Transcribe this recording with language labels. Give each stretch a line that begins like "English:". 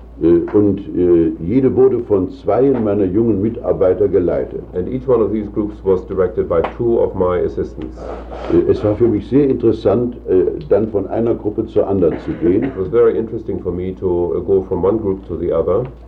German: Und jede wurde von 2 meiner jungen Mitarbeiter geleitet.
English: And each one of these groups was directed by 2 of my assistants.
German: Es war für mich sehr interessant, dann von einer Gruppe zur anderen zu gehen.
English: It was very interesting for me to go from one group to the other.